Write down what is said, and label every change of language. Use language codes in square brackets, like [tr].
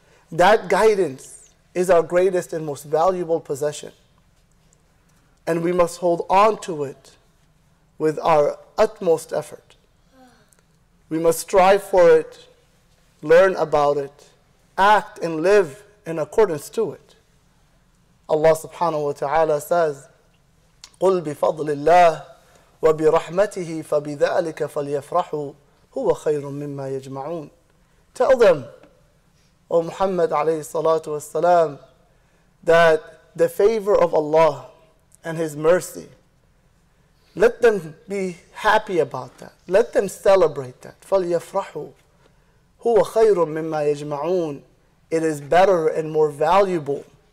[en] That guidance is our greatest and most valuable possession. And we must hold on to it with our utmost effort. We must strive for it, learn about it, act and live in accordance to it. [ar] Allah subhanahu wa ta'ala says, قُلْ بِفَضْلِ اللَّهِ وَبِرَحْمَتِهِ فَبِذَٰلِكَ فَلْيَفْرَحُوا هُوَ خَيْرٌ مِّمَّا يَجْمَعُونَ. [en] Tell them, O Muhammad alayhi salatu wasalam, that the favor of Allah and His mercy, let them be happy about that. Let them celebrate that. [ar] فَلْيَفْرَحُوا هُوَ خَيْرٌ مِّمَّا يَجْمَعُونَ. [en] It is better and more valuable